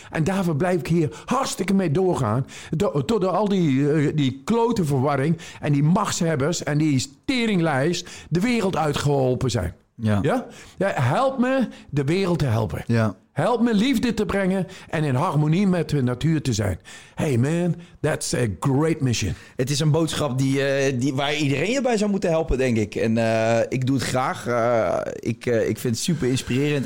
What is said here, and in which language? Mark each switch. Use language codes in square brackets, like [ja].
[nl] En daarvoor blijf ik hier hartstikke mee doorgaan. Tot al die klote verwarring en die machtshebbers en die teringlijst de wereld uitgeholpen zijn. Ja. Ja? Ja, help me de wereld te helpen. Ja. Help me liefde te brengen en in harmonie met de natuur te zijn. [en] Hey man, that's a great mission. [nl] Het is een boodschap die waar iedereen je bij zou moeten helpen, denk ik. En ik doe het graag. Ik vind het super inspirerend.